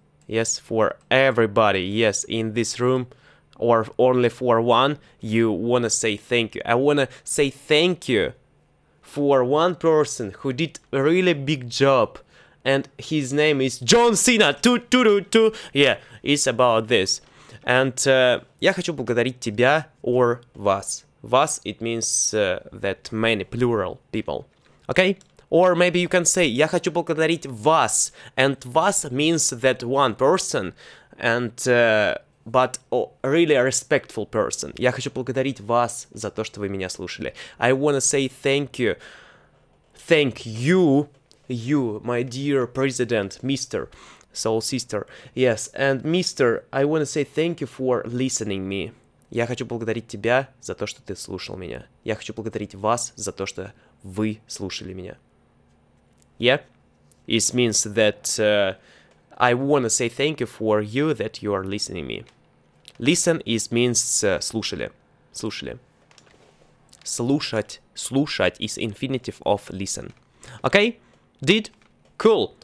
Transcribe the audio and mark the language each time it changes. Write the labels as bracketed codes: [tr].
[en] Yes, for everybody, yes, in this room, or only for one, you wanna say thank you. I wanna say thank you for one person who did a really big job, and his name is John Cena, yeah, it's about this. [ru] And я хочу благодарить тебя, or вас. [en] Вас, it means that many, plural people, okay? Or maybe you can say, [ru] я хочу благодарить вас. [en] And вас means that one person, and but a really respectful person. [ru] Я хочу благодарить вас за то, что вы меня слушали. [en] I wanna say thank you. Thank you, you, my dear president, mister, soul sister. Yes, and mister, I wanna say thank you for listening me. [ru] Я хочу благодарить тебя за то, что ты слушал меня. Я хочу благодарить вас за то, что вы слушали меня. [en] Yeah, it means that I want to say thank you for you that you are listening to me. Listen is means [ru] слушали. Слушали. Слушать. [en] Слушать is infinitive of listen. Okay? Did? Cool.